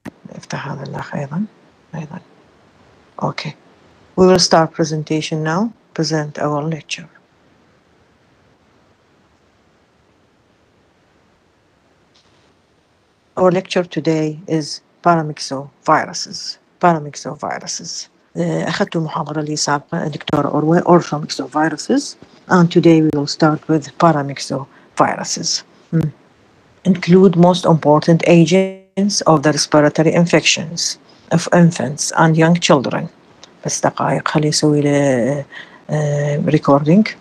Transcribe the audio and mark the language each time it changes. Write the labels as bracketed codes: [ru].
[ar] افتح هذا الأخ أيضا. أيضا. اوكي. [en] We will start presentation now. Present our lecture. Our lecture today is paramyxoviruses. Paramyxoviruses. [ar] أخذت محاضرة لي سابقة دكتور أوروي paramyxoviruses. [en] And today we will start with paramyxoviruses. Include most important agents of the respiratory infections of infants and young children. [ar] بس دقائق خلي يسوي لي recording.